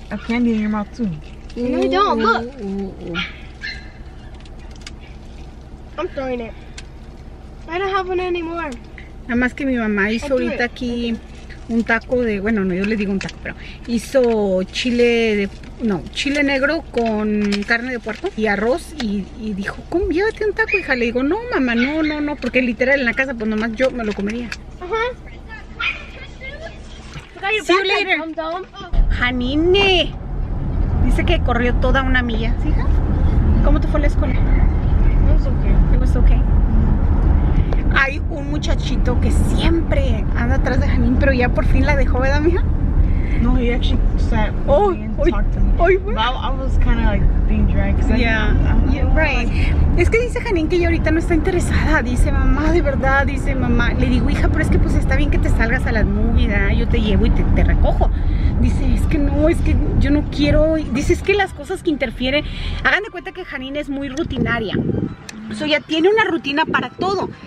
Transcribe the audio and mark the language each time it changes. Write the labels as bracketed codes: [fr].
[en] a candy in your mouth too. No, I don't. Look. I'm throwing it. I don't have one anymore. [es] Nada más que mi mamá hizo ahorita aquí un taco de, bueno, no, yo le digo un taco, pero hizo chile de, no, chile negro con carne de puerco y arroz y dijo, ¿cómo? Llévate un taco, hija. Le digo, no, mamá, no, porque literal en la casa, pues nomás yo me lo comería. Ajá. [en] See you later. Janine. [es] Dice que corrió toda una milla. ¿Sí, hija? ¿Cómo te fue la escuela? [en] It was okay. [es] Hay un muchachito que siempre anda atrás de Janine, pero ya por fin la dejó, ¿verdad, mija? [en] No, he actually sat with me and talked to me. Oh, I was kind of like being dragged. Yeah, right. [es] Es que dice Janine que ella ahorita no está interesada. Dice, mamá, de verdad, dice mamá. Le digo, hija, pero es que pues está bien que te salgas a las movies, ¿eh? Yo te llevo y te recojo. Dice, es que yo no quiero. Dice, es que las cosas que interfieren. Hagan de cuenta que Janine es muy rutinaria. O sea, ya tiene una rutina para todo.